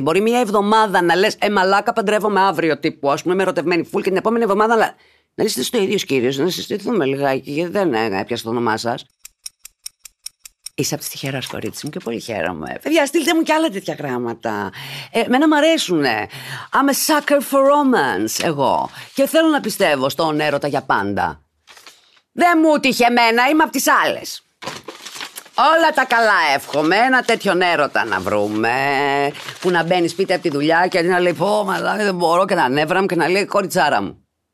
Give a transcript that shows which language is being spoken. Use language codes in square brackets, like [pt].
[el] Μπορεί μια εβδομάδα να λες, μαλάκα παντρεύομαι αύριο τύπου, ας πούμε είμαι ερωτευμένη φουλ και την επόμενη εβδομάδα να λες, είστε ο ίδιος κύριος, να συστηθούμε λιγάκι γιατί δεν έπιασε το όνομά σας. Είσαι από τις τυχερές κορίτσι μου και πολύ χαίρομαι. Παιδιά, στείλτε μου και άλλα τέτοια γράμματα. Εμένα μου αρέσουνε. [en] I'm a sucker for romance, εγώ. [el] Και θέλω να πιστεύω στον έρωτα για πάντα. Δεν μου τύχε εμένα, είμαι από τις άλλες. Όλα τα καλά εύχομαι. Ένα τέτοιο έρωτα να βρούμε. Που να μπαίνει σπίτι από τη δουλειά και να λέει: πω, μαλάκα, δεν μπορώ. Και να νεύρα μου και να λέει: κοριτσάρα μου.